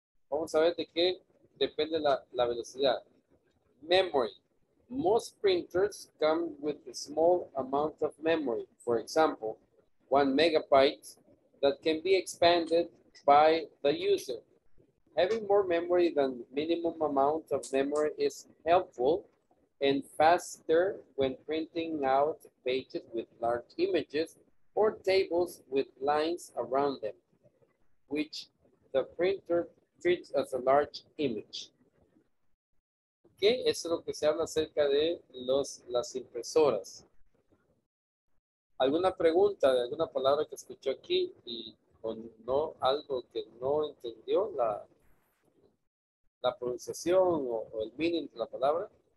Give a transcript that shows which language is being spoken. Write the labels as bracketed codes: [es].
[es] Vamos a ver de qué depende la velocidad. [en] Memory. Most printers come with a small amount of memory, for example, 1 megabyte that can be expanded by the user. Having more memory than minimum amount of memory is helpful and faster when printing out pages with large images or tables with lines around them, which the printer treats as a large image. [es] Okay, eso es lo que se habla acerca de las impresoras. ¿Alguna pregunta de alguna palabra que escuchó aquí y o no algo que no entendió la pronunciación o el meaning de la palabra?